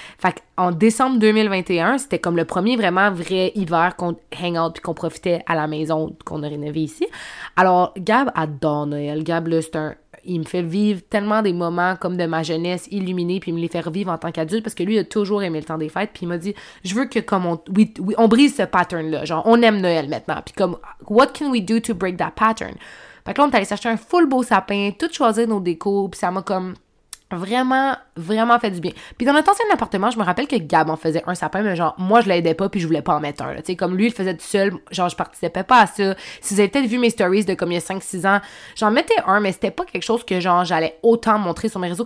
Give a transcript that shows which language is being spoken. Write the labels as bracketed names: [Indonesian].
[French] Fait qu'en décembre 2021, c'était comme le premier vraiment vrai hiver qu'on hang out puis qu'on profitait à la maison qu'on a rénové ici. Alors, Gab adore Noël. Gab, là, c'est un... Il me fait vivre tellement des moments comme de ma jeunesse illuminée, puis il me les fait revivre en tant qu'adulte parce que lui a toujours aimé le temps des fêtes. Puis il m'a dit, je veux que comme on brise ce pattern-là. Genre, on aime Noël maintenant. Puis comme, [English] what can we do to break that pattern? [French] Fait que là, on est allé s'acheter un full beau sapin, tout choisir nos décos, puis ça m'a comme vraiment, vraiment fait du bien. Puis dans notre ancien appartement, je me rappelle que Gab en faisait un sapin, mais genre, moi, je l'aidais pas, puis je voulais pas en mettre un, là. Tu sais, comme lui, il faisait tout seul, genre, je participais pas à ça. Si vous avez peut-être vu mes stories de comme il y a 5-6 ans, j'en mettais un, mais c'était pas quelque chose que, genre, j'allais autant montrer sur mes réseaux.